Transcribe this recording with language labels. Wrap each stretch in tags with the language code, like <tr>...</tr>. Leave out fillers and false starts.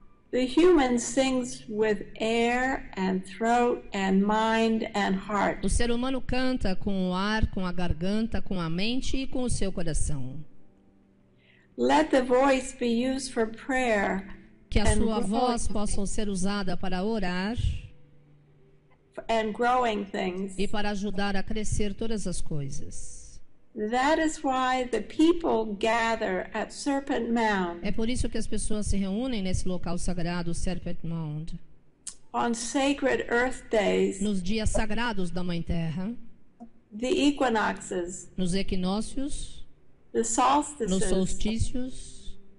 <en>The human sings with air and throat and mind and heart.</en> <pt>O ser humano canta com o ar, com a garganta, com a mente e com o seu coração.</pt> <en>Let the voice be used for prayer.</en> <pt>Que a sua voz possa ser usada para orar.</pt> <en>And growing things.</en> <pt>E para ajudar a crescer todas as coisas.</pt> <en>That is why the people gather at Serpent Mound.</en> <pt>É por isso que as pessoas se reúnem nesse local sagrado, Serpent Mound.</pt> <en>On sacred earth days.</en> <pt>Nos dias sagrados da Mãe Terra.</pt> <en>The equinoxes.</en> <pt>Nos equinócios.</pt> <en>The solstices.</en> <pt>Nos solstícios.</pt>